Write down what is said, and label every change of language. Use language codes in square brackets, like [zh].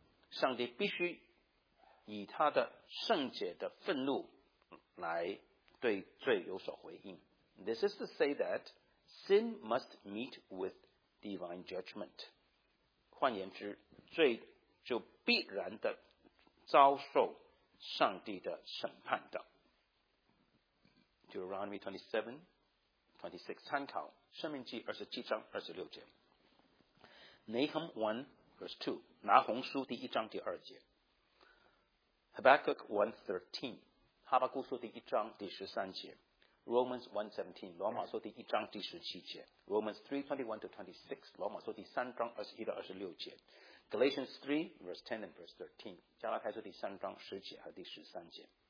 [zh] 上帝必须以他的圣洁的愤怒来对罪有所回应。 [en] This is to say that sin must meet with divine judgment. [zh] 换言之，罪就必然的遭受上帝的审判的。 Deuteronomy 27:26 参考。申命记二十七章二十六节 Nahum 1 verse 2拿鸿书第一章第二节 Habakkuk 1:13哈巴姑书第一章第十三节 Romans 1:17罗马书第一章第十七节 Romans 3:21-26罗马书第三章二十一到二十六节 Galatians 3 verse 10 and verse 13加拉太书第三章十节和第十三节